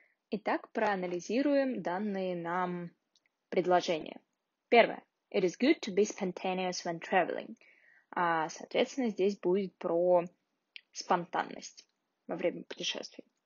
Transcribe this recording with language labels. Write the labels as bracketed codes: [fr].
[ru] Итак, проанализируем данные нам предложения. Первое. [en] It is good to be spontaneous when traveling. [ru] А, соответственно, здесь будет про спонтанность во время путешествий.